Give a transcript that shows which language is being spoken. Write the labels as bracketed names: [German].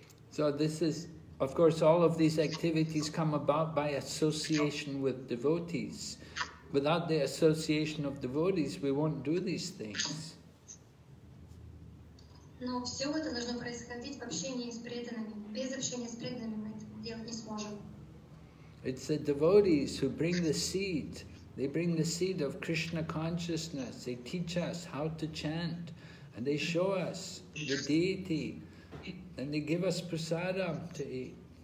[English] So this is, of course, all of these activities come about by association with devotees. Without the association of devotees, we won't do these things. [Russian] Но все это должно происходить в общении с преданными. Без общения с преданными мы это делать не сможем. [English] It's the devotees who bring the seed. They bring the seed of Krishna consciousness. They teach us how to chant. And they show us the deity, and they give us prasadam to eat.